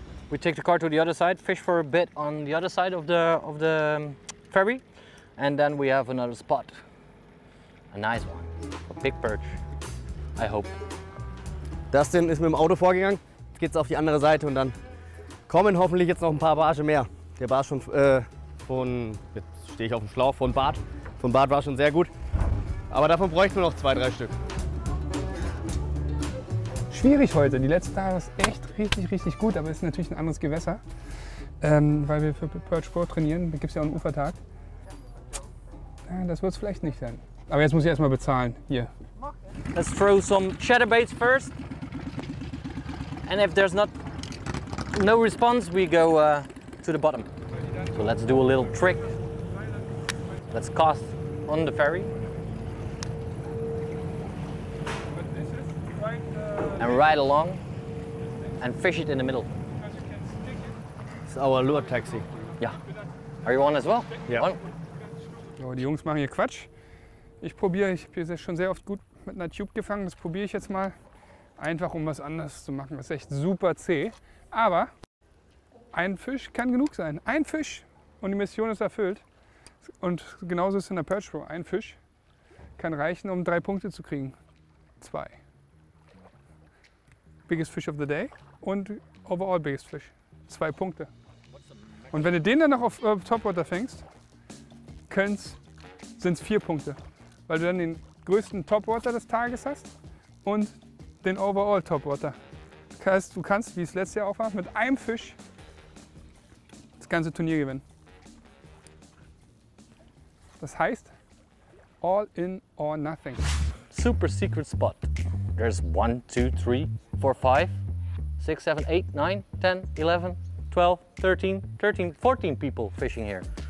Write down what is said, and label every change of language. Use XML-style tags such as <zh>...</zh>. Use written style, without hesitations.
<en>We take the car to the other side, fish for a bit on the other side of the ferry, and then we have another spot. A nice one. A big perch. I hope.</en> <de>Dustin ist mit dem Auto vorgegangen. Jetzt geht's auf die andere Seite und dann kommen hoffentlich jetzt noch ein paar Barsche mehr. Der Barsch schon von, jetzt stehe ich auf dem Schlauch, von Bart. Von Bart war schon sehr gut. Aber davon bräuchten wir noch zwei, drei Stück. Schwierig heute. Die letzten Tage ist echt richtig, richtig gut, aber es ist natürlich ein anderes Gewässer. Weil wir für Perch Pro trainieren, da gibt es ja auch einen Ufertag. Ja, das wird es vielleicht nicht sein. Aber jetzt muss ich erstmal bezahlen. Hier.</de> <en>Let's throw some chatterbaits first. And if there's not no response, we go to the bottom. So let's do a little trick. Let's cast on the ferry. And ride along and fish it in the middle. It's our lure taxi. Yeah. Are you on as well? Yeah. On.</en> <de>Oh, die Jungs machen hier Quatsch. Ich probiere, ich habe hier schon sehr oft gut mit einer Tube gefangen. Das probiere ich jetzt mal. Einfach um was anderes zu machen. Das ist echt super zäh. Aber ein Fisch kann genug sein. Ein Fisch und die Mission ist erfüllt. Und genauso ist es in der Perch Pro. Ein Fisch kann reichen, um 3 Punkte zu kriegen. 2.</de> <en>Biggest fish of the day und overall biggest fish.</en> <de>2 Punkte. Und wenn du den dann noch auf Topwater fängst, sind es 4 Punkte. Weil du dann den größten Topwater des Tages hast und den overall Topwater. Das heißt, du kannst, wie es letztes Jahr auch war, mit einem Fisch das ganze Turnier gewinnen. Das heißt,</de> <en>all in or nothing. Super secret spot. There's 1, 2, 3, 4, 5, 6, 7, 8, 9, 10, 11, 12, 13, 14 people fishing here.</en>